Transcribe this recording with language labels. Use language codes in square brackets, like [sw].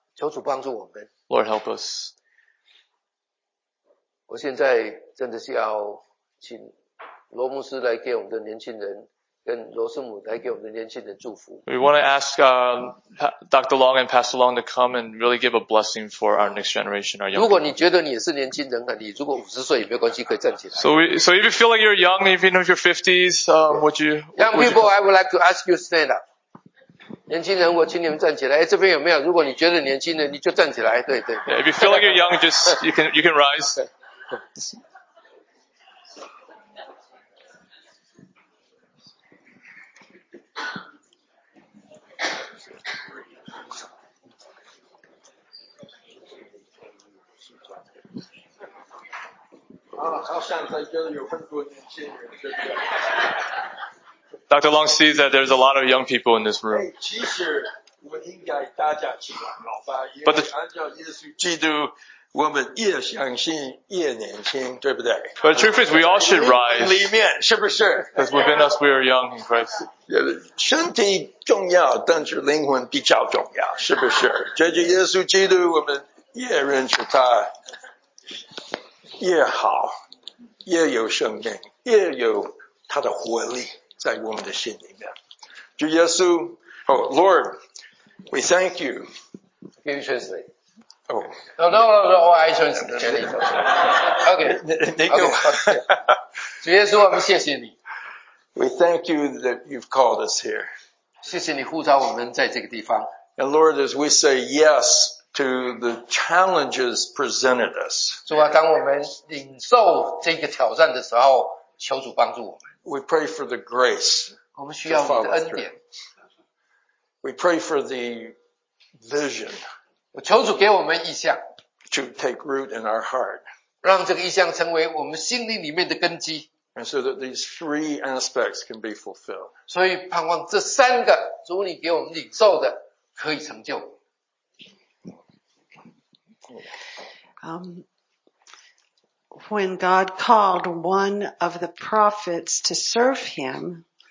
[zh] 求主帮助我们。 [en] Lord help us. [zh] 我现在真的是要请罗牧师来给我们的年轻人，跟罗圣母来给我们的年轻人祝福。 [en] We want to ask Dr. Long and Pastor Long to come and really give a blessing for our next generation, our young people. [zh] 如果你觉得你也是年轻人，你如果50岁也没关系，可以站起来。 [en] So if you feel like you're young, even if you're 50s, would you? Young people, would you I would like to ask you stand up. [zh] 年轻人，我请你们站起来。哎，这边有没有？如果你觉得年轻人，你就站起来。对对。 [en] Yeah, if you feel like you're young, just you can rise. 啊、Dr. Long sees that there's a lot of young people in this room. [zh] 其实我应该大家起来，老爸，因为按照耶稣基督，我们越相信越年轻，对不对？ [en] But the truth is, we all should rise. [zh] 里面是不是？ [en] Because within us, we are young in Christ. [zh] 身体重要，但是灵魂比较重要，是不是？借着耶稣基督，我们越认识他。越好，越有生命，越有他的活力在我们的心里面。主耶稣 [en] ，Oh Lord, we thank you. Give me translate. Oh, no, I translate. Okay. [zh] 主耶稣，我们谢谢你。 [en] We thank you that you've called us here. [zh] 谢谢你呼召我们在这个地方。 [en] And Lord, as we say yes to the challenges presented us. [zh] 主啊，当我们领受这个挑战的时候，求主帮助我们。 [en] We pray for the grace. [zh] 我们需要你的恩典。 [en] We pray for the vision. [zh] 求主给我们意象。 [en] To take root in our heart. [zh] 让这个意象成为我们心灵里面的根基。 [en] And so that these three aspects can be fulfilled. [zh] 所以盼望这三个主你给我们领受的可以成就。 [en] When God called one of the prophets to serve him,